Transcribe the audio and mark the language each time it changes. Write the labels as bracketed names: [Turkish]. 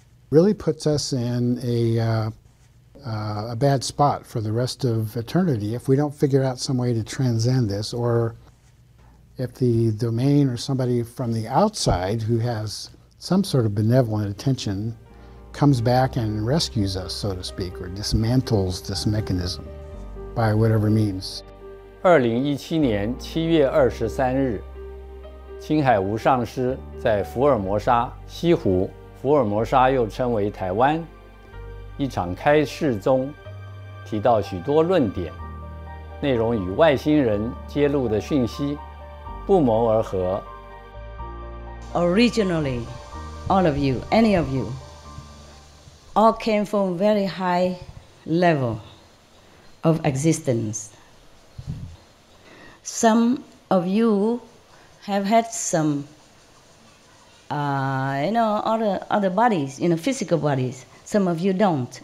[English] really puts us in a bad spot for the rest of eternity if we don't figure out some way to transcend this, or if the domain or somebody from the outside who has some sort of benevolent attention comes back and rescues us, so to speak, or dismantles this mechanism by whatever means. [Chinese] 2017年 7月 23日, 青海无上师在福尔摩沙西湖, 福尔摩沙又称为台湾, 一场开示中, 提到许多论点, 内容与外星人揭露的讯息, 不谋而合. [English] Originally, all of you, any of you, all came from very high level of existence. Some of you have had some, other bodies, physical bodies. Some of you don't.